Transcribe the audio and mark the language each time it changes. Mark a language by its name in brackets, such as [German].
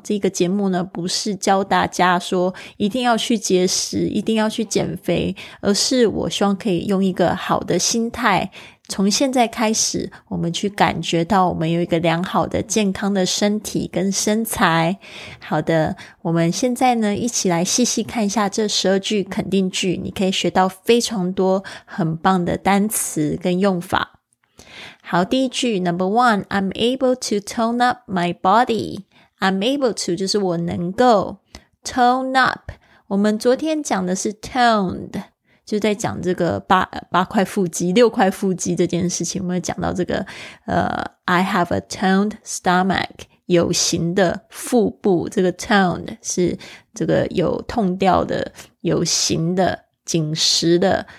[Chinese] 这个节目呢不是教大家说一定要去节食一定要去减肥，而是我希望可以用一个好的心态，从现在开始我们去感觉到我们有一个良好的健康的身体跟身材。好的，我们现在呢一起来细细看一下这12句肯定句，你可以学到非常多很棒的单词跟用法。好，第一句 [English] Number one, I'm able to tone up my body. I'm able to [Chinese] 就是我能够 tone up, 我们昨天讲的是 toned,就在讲这个六块腹肌这件事情。我们讲到这个 [English] I have a toned stomach, [Chinese] 有型的腹部，这个 toned 是这个有痛调的有型的紧实的。